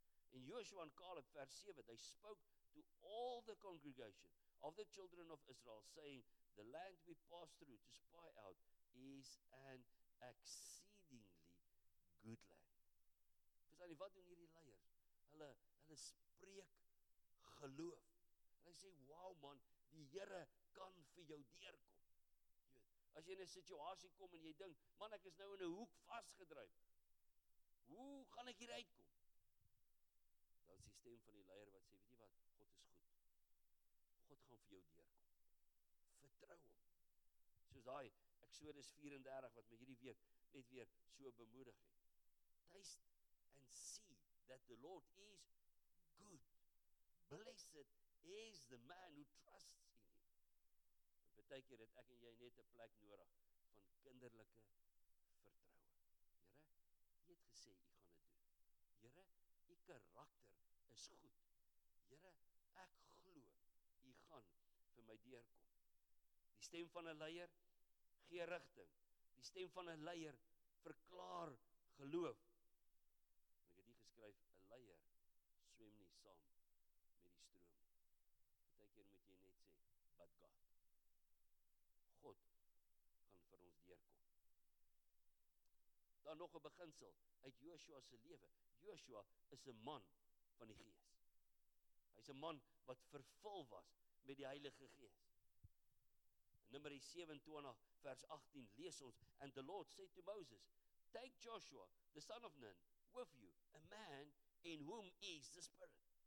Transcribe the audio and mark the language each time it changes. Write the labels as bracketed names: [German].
[English] En Joshua en Caleb vers 7, they spoke to all the congregation of the children of Israel saying, the land we passed through to spy out is an exceedingly good land. [Afrikaans] Verstaan jy, wat doen hierdie leiers? Hulle spreek geloof. En hy sê, wow man, die Here kan vir jou deurkom. As jy in 'n situasie kom en jy dink, man, ek is nou in 'n hoek vasgedryf, hoe gaan ek hier uitkom? Dan is die stem van die leier wat sê, weet jy wat, God is goed, God gaan vir jou deurkom. Vertrou hom. Soos daai Exodus 34 wat my hierdie week net weer so bemoedig het. [English] Taste and see that the Lord is good. Blessed is the man who trusts in him. [Afrikaans] En partykeer het ek en jy net 'n plek nodig van kinderlike vertroue. Here, U het gesê U gaan dit doen. Here, U karakter is goed. Here, ek glo U gaan vir my deurkom. Die stem van 'n leier gee rigting. Die stem van 'n leier verklaar geloof. En ek het hier geskryf, 'n leier swem nie saam met die stroom nie. Partykeer moet jy net sê, but God. God gaan vir ons deurkom. Dan nog 'n beginsel uit Joshua se lewe. Joshua is 'n man van die Gees. Hy's 'n man wat vervul was met die Heilige Gees. [English] Numeri 27 vers 18 lees ons, and the Lord said to Moses, take Joshua the son of Nun with you, a man in whom is the Spirit.